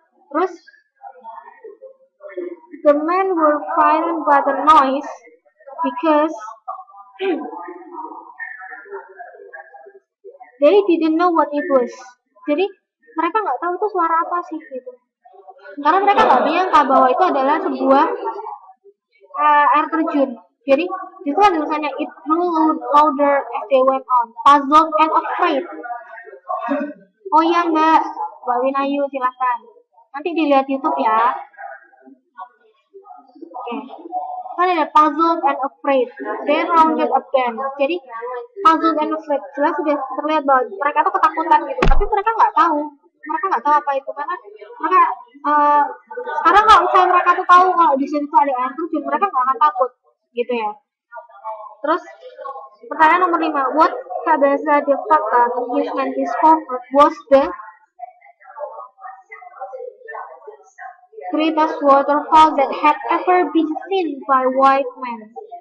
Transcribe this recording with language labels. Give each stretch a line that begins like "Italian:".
Indonesian: Terus
English: the men were frightened by the noise because they didn't know what it was.
Indonesian: Jadi mereka enggak tahu itu suara apa sih gitu. Karena mereka nggak menyangka bahwa itu adalah sebuah air terjun. Jadi itu kan tulisannya
English: it grew louder as they went on, puzzled and afraid.
Indonesian: Oh iya mbak, Mbak Winayu silakan. Nanti dilihat YouTube ya.
English: Oke. Okay.
Indonesian: Kan ada
English: puzzled and afraid. They rounded a bend.
Indonesian: Jadi
English: puzzled and afraid
Indonesian: jelas sudah terlihat bahwa mereka itu ketakutan gitu. Tapi mereka nggak tahu. Mereka nggak tahu apa itu karena mereka sekarang kalau misalnya mereka tuh tahu kalau di sini tuh ada air terjun, mereka nggak akan takut gitu ya. Terus pertanyaan nomor 5,
English: what Tabasa de Fata Englishman discovered was the greatest waterfall that had ever been seen by white men.